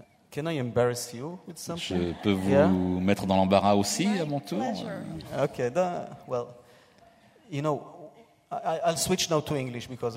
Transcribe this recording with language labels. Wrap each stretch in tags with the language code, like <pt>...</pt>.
<en>Can I embarrass you with something?</en> <fr>Je peux vous mettre dans l'embarras aussi à mon tour.</fr> <en>Okay, well, you know, I'll switch now to English because</en>